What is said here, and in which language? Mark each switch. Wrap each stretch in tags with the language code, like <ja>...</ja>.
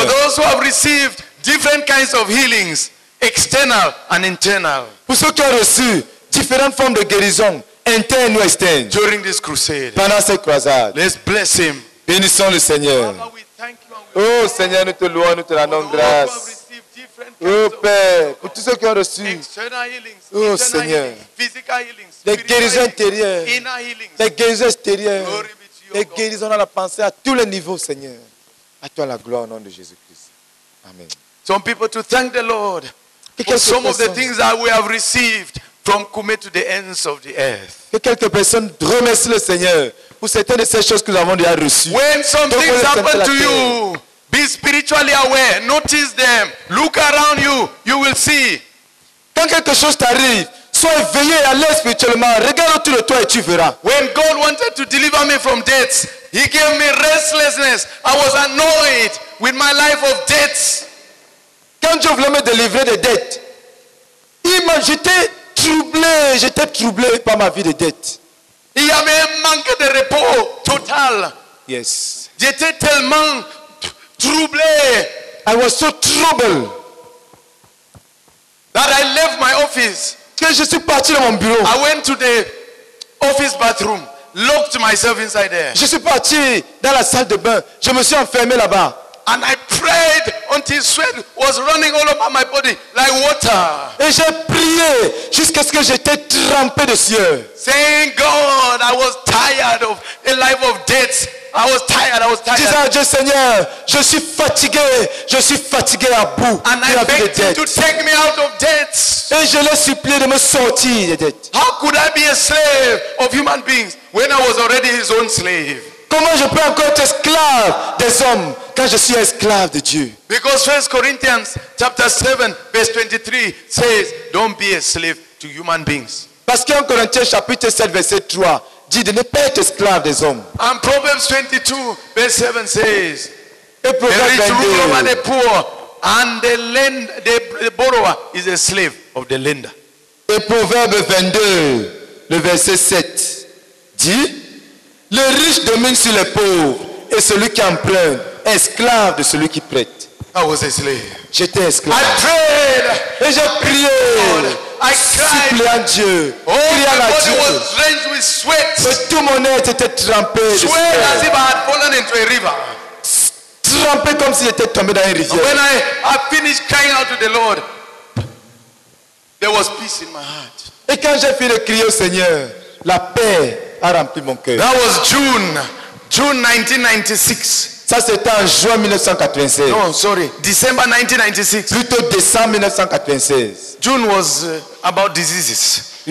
<en>For those who have received different kinds of healings, external and internal.</en> <fr>Pour ceux qui ont reçu différentes formes de guérison, interne ou externe.</fr> <en>During this crusade.</en> <fr>Pendant cette croisade.</fr> <en>Let's bless him.</en> <fr>Bénissons le Seigneur. Oh Seigneur, nous te louons, nous te rendons grâce. Oh Père, pour tous ceux qui ont reçu. Oh Seigneur, les guérisons intérieures, les guérisons extérieures, les guérisons dans la pensée à tous les niveaux, Seigneur. À toi la gloire au nom de Jésus-Christ. Amen.</fr> <en>Some people to thank the Lord for some of the things that we have received from Kume to the ends of the earth.</en> <fr>Que quelques personnes remercient le Seigneur. Pour certaines de ces choses que nous avons déjà reçues.</fr> <en>When some things happen to you, be spiritually aware. Notice them. Look around you. You will see.</en> <fr>Quand quelque chose t'arrive, sois éveillé et allez spirituellement. Regarde autour de toi et tu verras.</fr> <en>When God wanted to deliver me from debts, he gave me restlessness. I was annoyed with my life of debts.</en> <fr>Quand Dieu voulait me délivrer des dettes, j'étais troublé par ma vie de dettes. Il y avait un manque de repos total. Yes. J'étais tellement troublé.</fr> <en>I was so troubled that I left my office.</en> <fr>Que je suis parti dans mon bureau.</fr> <en>I went to the office bathroom, locked myself inside there.</en> <fr>Je suis parti dans la salle de bain. Je me suis enfermé là-bas.</fr> <en>And I prayed until sweat was running all over my body like water.</en> <fr>Et j'ai prié jusqu'à ce que j'étais trempé de sueur.</fr> <en>Saying God, I was tired of a life of debt. I was tired.</en> <fr>Disant à Dieu, Seigneur, je suis fatigué à bout.</fr> <en>And I begged him to take me out of debt.</en> <fr>Et je l'ai supplié de me sortir des dettes.</fr> <en>How could I be a slave of human beings when I was already his own slave?</en> <fr>Comment je peux encore être esclave des hommes quand je suis esclave de Dieu?</fr> <en>Because 1 Corinthians chapter 7 verse 23 says, don't be a slave to human beings.</en> <fr>Parce qu'en Corinthiens chapitre 7 verset 3 dit de ne pas être esclave des hommes.</fr> <en>And Proverbs 22 verse 7 says,</en> <fr>et Proverbes 22.</fr> <en>The rich rule over the poor and the lender, the borrower is a slave of the lender.</en> <fr>Et Proverbes 22 le verset 7 dit, le riche domine sur les pauvres et celui qui emprunte est esclave de celui qui prête.</fr> <en>I was a slave.</en> <fr>J'étais esclave.</fr> <en>I prayed.</en> <fr>Et j'ai prié.</fr> <en>I cried.</en> <fr>Suppliant Dieu. Oh,</fr> <en>my body was drenched with sweat.</en> <fr>Tout mon être était trempé.</fr> <en>Sweat as if I had fallen into a river.</en> <fr>trempé comme si j'étais tombé dans une rivière.</fr> <en>When I finished crying out to the Lord, there was peace in my heart.</en> <fr>Et quand j'ai fini de crier au Seigneur, la paix a rempli mon cœur.</fr> <en>That was June 1996.</en> <fr>Ça c'était en juin 1996.</fr> <en>No, sorry, December 1996.</en> <fr>Plutôt décembre 1996.</fr> <en>June was about diseases.</en>